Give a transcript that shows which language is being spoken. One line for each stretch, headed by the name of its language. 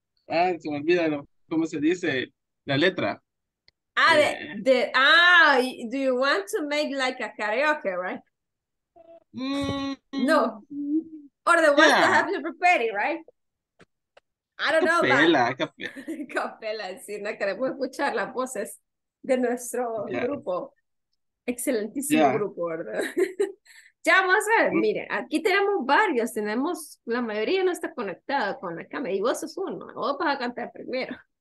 Spanish: Ah, se me olvida cómo se dice la letra.
English: Ah, do you want to make like a karaoke, right? No. Or the ones that have to prepare it, right? I don't know.
Spanish: Capela,
English: but...
Spanish: Capela, sí, no queremos escuchar las voces de nuestro grupo. Excelentísimo grupo, ¿verdad? Ya vamos a ver, miren, aquí tenemos varios, tenemos, la mayoría no está conectada con la cámara, y vos sos uno, vos vas a cantar primero.